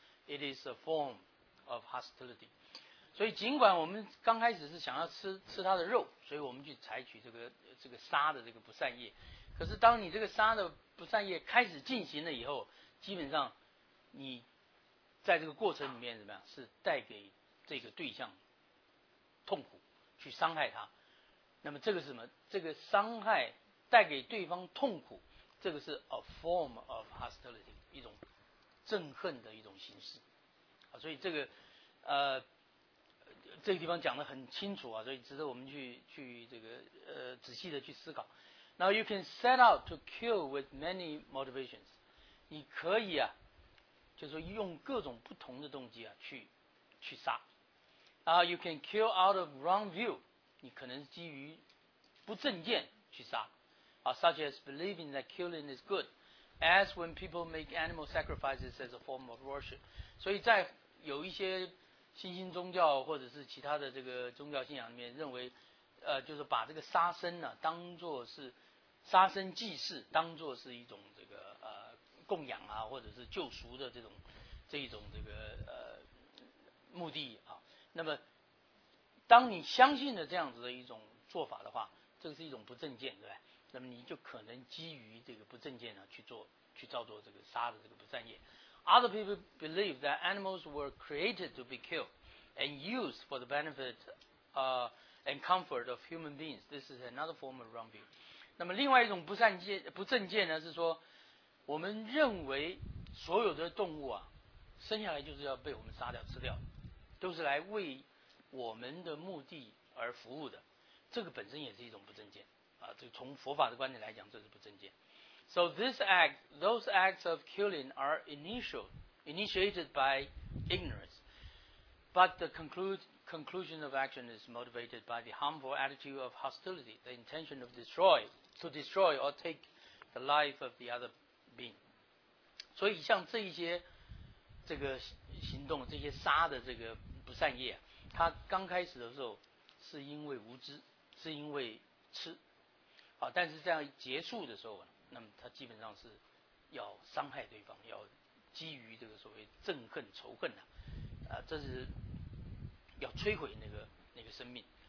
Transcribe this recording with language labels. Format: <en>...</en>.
<en>It is a form of hostility.</en> <zh>所以尽管我们刚开始是想要吃它的肉，所以我们去采取这个杀的这个不善业。可是当你这个杀的不善业开始进行了以后，基本上你在这个过程里面怎么样？是带给这个对象痛苦，去伤害他。那么这个是什么？这个伤害带给对方痛苦，这个是</zh> <en>a form of hostility，</en> <zh>一种憎恨的一种形式啊。所以这个这个地方讲得很清楚啊，所以值得我们去这个仔细的去思考。</zh> <en>Now you can set out to kill with many motivations，</en> <zh>你可以啊。就是说用各种不同的动机啊去杀啊。</zh> <en>You can kill out of wrong view，</en> <zh>你可能基于不正见去杀啊。</zh> <en>Such as believing that killing is good， as when people make animal sacrifices as a form of worship。</en> <zh>所以在有一些新兴宗教或者是其他的这个宗教信仰里面认为就是把这个杀生啊当作是杀生祭祀，当作是一种这个供养啊，或者是救赎的这一种这个目的啊。那么，当你相信了这样子的一种做法的话，这是一种不正见，对吧？那么你就可能基于这个不正见上去做，去造作这个杀的这个不善业。</zh> <en>Other people believe that animals were created to be killed and used for the benefit and comfort of human beings. This is another form of wrong view.</en> <zh>那么另外一种不善见不正见呢，是说我们认为所有的动物啊，生下来就是要被我们杀掉吃掉，都是来为我们的目的而服务的，这个本身也是一种不正见啊。这个从佛法的观点来讲，这是不正见。</zh> <en>So this act, those acts of killing are initiated by ignorance, but the conclusion of action is motivated by the harmful attitude of hostility, the intention of to destroy or take the life of the other being.</en> <zh>所以像这一些这个行动，这些杀的这个不善业，它刚开始的时候是因为无知，是因为吃，啊，但是这样结束的时候呢？那么他基本上是要伤害对方，要基于这个所谓憎恨仇恨啊，这是要摧毁那个生命。</zh>